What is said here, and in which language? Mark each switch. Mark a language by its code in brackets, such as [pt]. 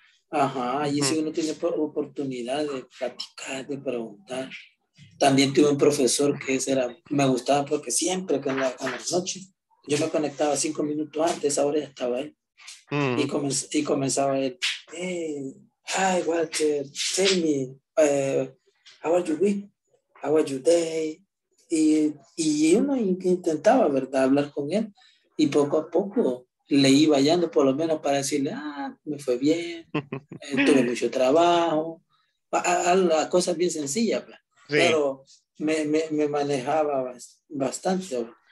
[es] Allí sí uno tiene oportunidad de platicar, de preguntar. También tuve un profesor que me gustaba porque siempre que en la noche yo me conectaba 5 minutos antes, ahora ya estaba él. Mm. Y comenzaba el, [en] hey, hi Walter, tell me, how was your week? How was your day? [es] Y uno intentaba, ¿verdad?, hablar con él y poco a poco le iba hallando por lo menos para decirle, me fue bien, tuve mucho trabajo, a cosas bien sencillas, sí. Pero me manejaba bastante.